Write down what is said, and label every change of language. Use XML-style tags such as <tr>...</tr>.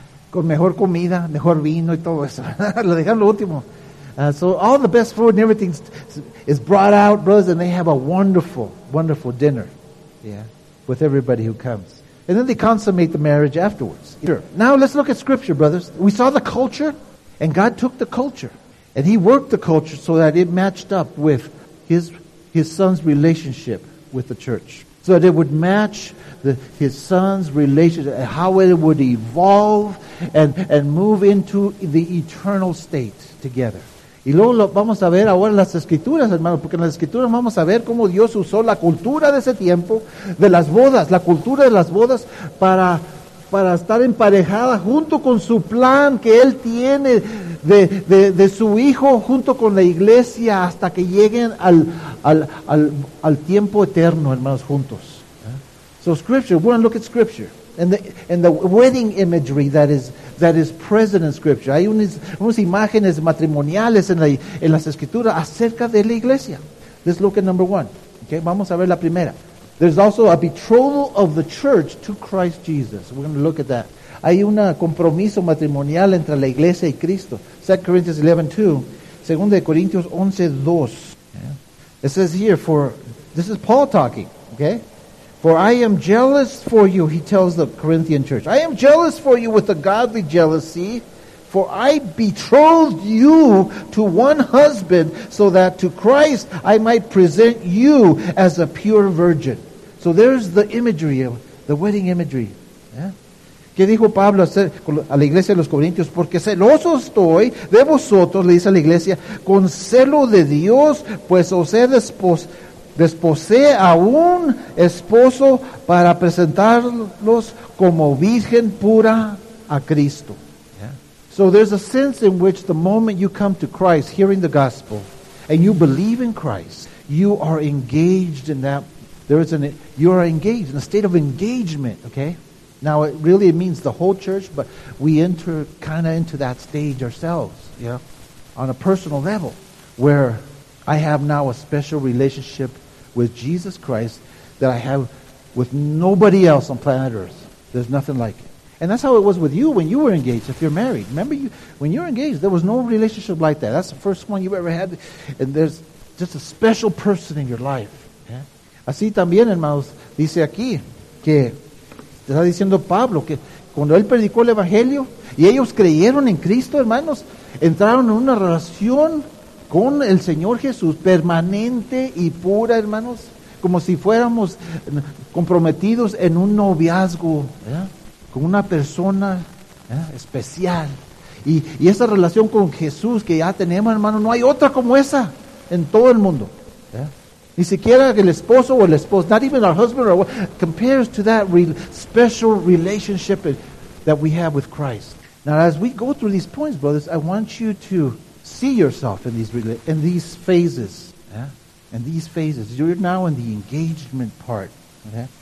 <es>Con mejor comida, mejor vino y todo eso. Lo dejan lo último.</es> <en>So all the best food and everything is brought out, brothers, and they have a wonderful, wonderful dinner, yeah, with everybody who comes. And then they consummate the marriage afterwards. Sure. Now let's look at Scripture, brothers. We saw the culture, and God took the culture, and He worked the culture so that it matched up with His Son's relationship with the church. So that it would match his son's relationship, how it would evolve and move into the eternal state together.</en> <es>Y luego vamos a ver ahora las escrituras, hermanos, porque en las escrituras vamos a ver cómo Dios usó la cultura de ese tiempo, de las bodas, la cultura de las bodas, para estar emparejada junto con su plan que él tiene de su hijo junto con la iglesia hasta que lleguen al tiempo eterno, hermanos, juntos.</es> <en>So Scripture, we're going to look at Scripture and the wedding imagery that is present in Scripture.</en> <es>Hay unas imágenes matrimoniales en las escrituras acerca de la iglesia.</es> <en>Let's look at number one. Okay,</en> <es>vamos a ver la primera.</es> <en>There's also a betrothal of the church to Christ Jesus. We're going to look at that.</en> <es>Hay un compromiso matrimonial entre la iglesia y Cristo.</es> <en>2 Corinthians 11:2. 2 Corintios 11:2. Yeah. It says here, this is Paul talking, okay? For I am jealous for you, he tells the Corinthian church. I am jealous for you with a godly jealousy. For I betrothed you to one husband so that to Christ I might present you as a pure virgin. So there's the imagery, the wedding imagery. Yeah?</en> <es>¿Qué dijo Pablo a la iglesia de los Corintios? Porque celoso estoy de vosotros, le dice a la iglesia, con celo de Dios, pues os he desposé a un esposo para presentarlos como virgen pura a Cristo.</es> <en>Yeah. So there's a sense in which the moment you come to Christ, hearing the gospel, and you believe in Christ, you are engaged in that. You are engaged in a state of engagement, okay? Now, it really means the whole church, but we enter kind of into that stage ourselves, you know, on a personal level, where I have now a special relationship with Jesus Christ that I have with nobody else on planet Earth. There's nothing like it. And that's how it was with you when you were engaged, if you're married. Remember, when you're engaged, there was no relationship like that. That's the first one you've ever had, and there's just a special person in your life. Yeah?</en> <es>Así también, hermanos, dice aquí que... Está diciendo Pablo que cuando él predicó el Evangelio y ellos creyeron en Cristo, hermanos, entraron en una relación con el Señor Jesús permanente y pura, hermanos, como si fuéramos comprometidos en un noviazgo, ¿verdad? Con una persona, ¿verdad? Especial. Y esa relación con Jesús que ya tenemos, hermanos, no hay otra como esa en todo el mundo. Ni siquiera el esposo</es> <en>o el esposo, not even our husband or what, compares to that special relationship that we have with Christ. Now, as we go through these points, brothers, I want you to see yourself in these phases. Yeah? In these phases. You're now in the engagement part. Okay?</en>